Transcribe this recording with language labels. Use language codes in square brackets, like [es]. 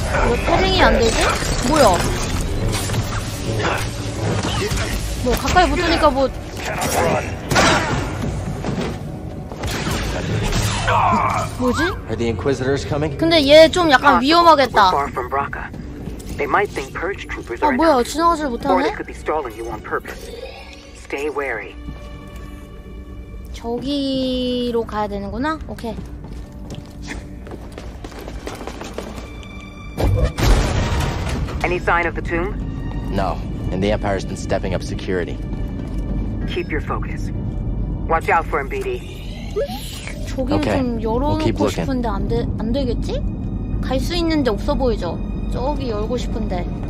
[ko] 왜 패링이 안 되지? 뭐야? 뭐 가까이 붙으니까 뭐. 뭐지? [en] Are the Inquisitors coming? [ko] 근데 얘 좀 약간 위험하겠다. [en] They might think purge troopers are. [ko] 아, 뭐야? 지나가질 못하네. [en] Could be stalling you on purpose. Stay wary. [ko] 저기로 가야 되는구나. 오케이. [en] 아니 sign of the tomb? No. And the Empire's been stepping up security. Keep your focus. Watch out for him, BD. [ko] 저기 좀 열어 놓고 싶은데 안 되겠지? 갈 수 있는데 없어 보이죠. 저기 열고 싶은데.